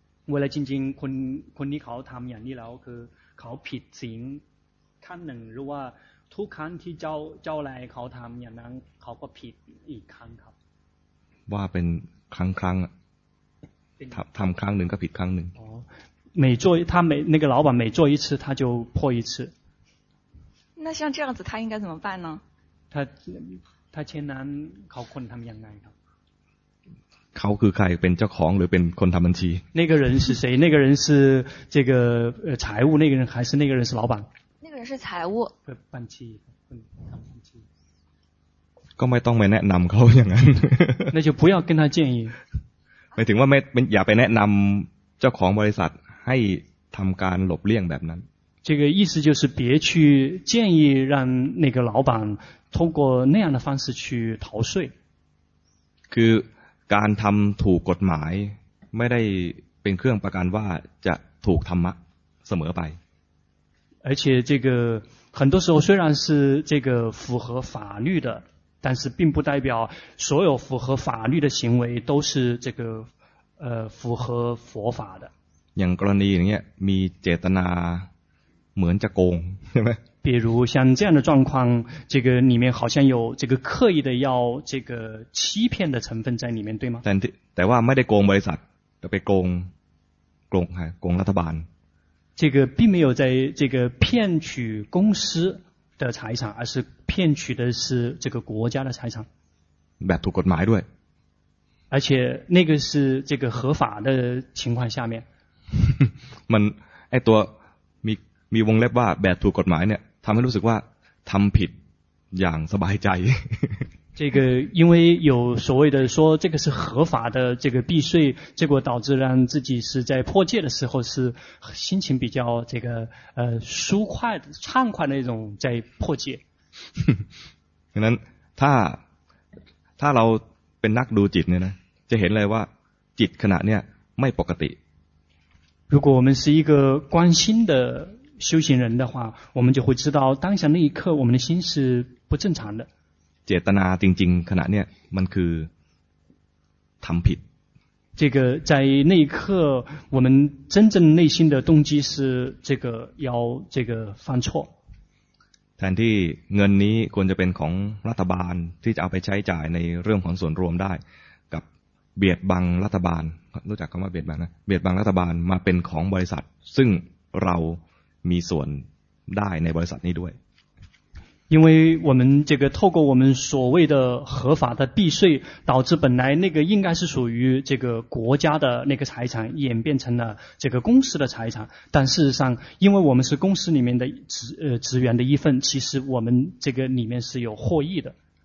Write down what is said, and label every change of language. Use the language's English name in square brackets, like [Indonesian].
[Thai] เวลาจริงๆคนนี้เขาทำอย่างนี้แล้วคือเขาผิดศีลขั้นหนึ่งหรือว่าทุกครั้งที่เจ้าอะไรเขาทำอย่างนั้นเขาก็ผิดอีกครั้งครับ ว่าเป็นครั้งทำครั้งหนึ่งก็ผิดครั้งหนึ่ง [Chinese] 每做他每那个老板每做一次他就破一次。那像这样子他应该怎么办呢？他前男 [Thai] เขาคนทำยังไงครับ？ เขาคือใครเป็นเจ้าของหรือเป็นคนทำบัญชี？ [Chinese] 那个人是谁？那个人是这个财务那个人还是那个人是老板？那个人是财务。 [Thai] บัญชีคนทำบัญชี ก็ไม่ต้องไปแนะนำเขาอย่างนั้น。 [Chinese] 那就不要跟他建议。 [Thai] หมายถึงว่าไม่อย่าไปแนะนำเจ้าของบริษัทให้ทำการหลบเลี่ยงแบบนั้น [Chinese] 这个意思就是别去建议让那个老板通过那样的方式去逃税 [Thai] คือการทำถูกกฎหมายไม่ได้เป็นเครื่องประกันว่าจะถูกธรรมะเสมอไป [Chinese] 而且这个很多时候虽然是这个符合法律的，但是并不代表所有符合法律的行为都是这个符合佛法的。像这样的状况，有意图，对吧？比如像这样的状况，这个里面好像有这个刻意的要这个欺骗的成分在里面，对吗？但是没得欺骗公司，被欺骗政府。这个并没有在这个骗取公司的财产，而是骗取的是这个国家的财产。 [Thai] แบบถูกกฎหมายด้วย。 [Chinese] 而且那个是这个合法的情况下面。 [Thai] มันไอ้ตัวมีวงเล็บว่าแบบถูกกฎหมายเนี่ยทำให้รู้สึกว่าทำผิดอย่างสบายใจ [Chinese] 这个因为有所谓的说这个是合法的这个避税，结果导致让自己是在破戒的时候是心情比较这个舒快畅快的那种在破戒。可能他 [Thai] เราเป็นนักดูจิตเนี่ยนะจะเห็นเลยว่าจิตขณะเนี่ยไม่ปกติ。 [Chinese] 如果我们是一个关心的修行人的话，我们就会知道当下那一刻我们的心是不正常的。 [Thai] เจตนาจริงๆขณะเนี้ยมันคือทำผิด [Chinese] 这个在那一刻我们真正内心的动机是这个要这个犯错 [Thai] แทนที่เงินนี้ควรจะเป็นของรัฐบาลที่จะเอาไปใช้จ่ายในเรื่องของส่วนรวมได้กับเบียดบังรัฐบาลรู้จักคำว่าเบียดบังนะเบียดบังรัฐบาลมาเป็นของบริษัทซึ่งเรามีส่วนได้ในบริษัทนี้ด้วย [Chinese] 因为我们这个透过我们所谓的合法的避税，导致本来那个应该是属于这个国家的那个财产，演变成了这个公司的财产。但事实上，因为我们是公司里面的职员的一份，其实我们这个里面是有获益的。